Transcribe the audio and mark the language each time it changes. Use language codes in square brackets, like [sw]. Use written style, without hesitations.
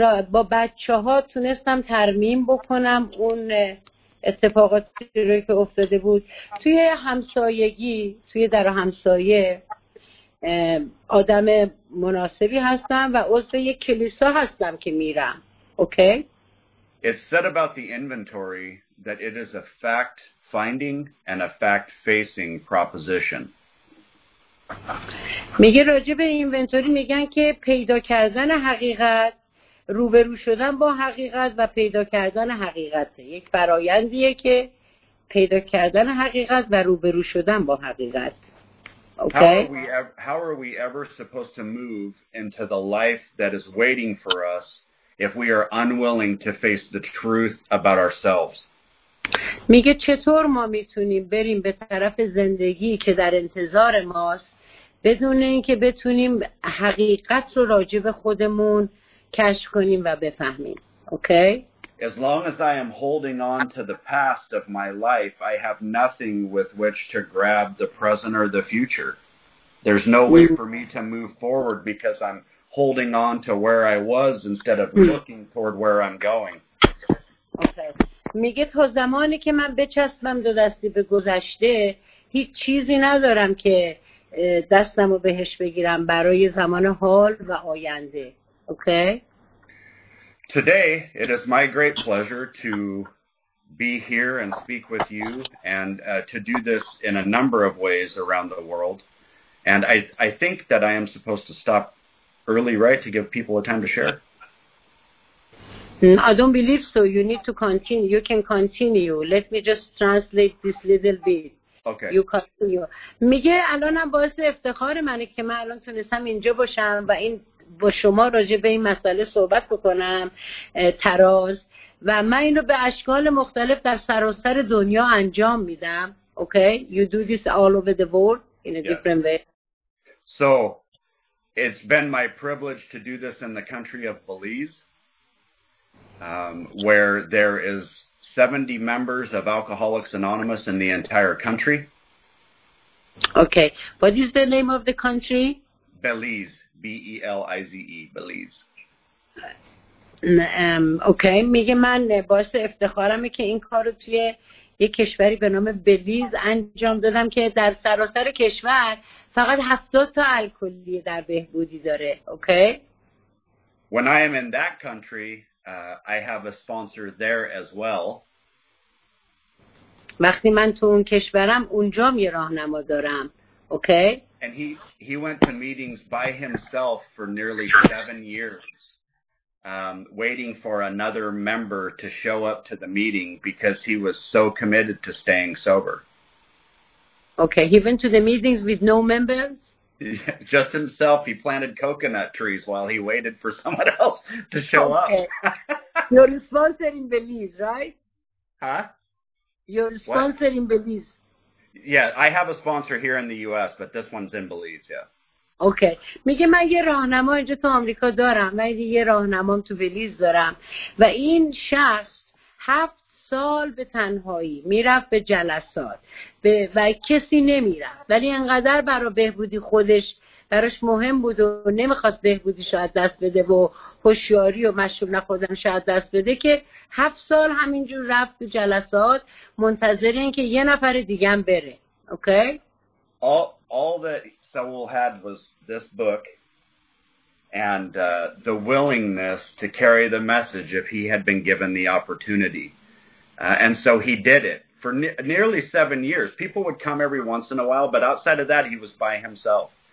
[fa] با بچه ها تونستم ترمیم بکنم اون اتفاقاتی رو که افتاده بود توی همسایگی، توی در همسایه آدم مناسبی هستم و عضو یک کلیسا هستم که میرم. [en] Okay? It's said about the inventory that it is a fact finding and a fact facing proposition. [fa] میگه راجب اینونتوری میگن که پیدا کردن حقیقت، روبرو شدن با حقیقت و پیدا کردن حقیقته. یک فرایندیه که پیدا کردن حقیقت و روبرو شدن با حقیقت. [en] Okay? How are we ever supposed to move into the life that is waiting for us if we are unwilling to face the truth about ourselves? [fa] میگه چطور ما میتونیم بریم به طرف زندگی که در انتظار ماست بدون اینکه بتونیم حقیقت رو راجع به خودمون کشف کنیم و بفهمیم. [en] Okay? As long as I am holding on to the past of my life, I have nothing with which to grab the present or the future. There's no way for me to move forward because I'm holding on to where I was instead of looking toward where I'm going. Okay. [fa] میگه تا زمانی که من بچسبم دو دستی به گذشته، هیچ چیزی ندارم که دستمو بهش بگیرم برای زمان حال و آینده. [en] Okay. Today, it is my great pleasure to be here and speak with you and to do this in a number of ways around the world. And I think that I am supposed to stop early, right, to give people a time to share. I don't believe so. You need to continue. You can continue. Let me just translate this little bit. Okay. You continue. [fa] میگه الانم باعث افتخار منه که من الان تونستم اینجا باشم و این با شما راجع به این مسئله صحبت بکنم، تراز، و من اینو به اشکال مختلف در سراسر دنیا انجام میدم. اوکی؟ [en] You do this all over the world in a different way. So, It's been my privilege to do this in the country of Belize, where there is 70 members of Alcoholics Anonymous in the entire country. Okay. What is the name of the country? Belize, B-E-L-I-Z-E, Belize. [fa] اوکی میگه من باعث افتخارمه که این کار رو توی یک کشوری به نام بلیز انجام دادم که در سراسر کشور فقط 70 تا الکلی در بهبودی داره. [en] Okay When I am in that country, I have a sponsor there as well. [fa] وقتی من تو اون کشورم اونجا یه راهنما دارم. [en] Okay And he went to meetings by himself for nearly 7 years. Waiting for another member to show up to the meeting because he was so committed to staying sober. Okay, he went to the meetings with no members? Just himself. He planted coconut trees while he waited for someone else to show okay. up. Okay. You're a sponsor in Belize, right? Huh? You're a sponsor what? In Belize. Yeah, I have a sponsor here in the U.S., but this one's in Belize, yeah. [fa] اوکی میگه من یه راهنما اینجا تو آمریکا دارم من یه راهنمام تو بلیز دارم و این شخص 7 سال به تنهایی میرفت به جلسات و کسی نمیرفت ولی انقدر برای بهبودی خودش براش مهم بود و نمیخواست بهبودیش رو از دست بده و هوشیاری و مشروب نخوردنش رو از دست بده که 7 سال همینجور رفت به جلسات منتظر این که یه نفر دیگه هم بره اوکی [en] Sewell had was this book and the willingness to carry the message if he had been given the opportunity. And so he did it for nearly 7 years. People would come every once in a while, but outside of that, he was by himself.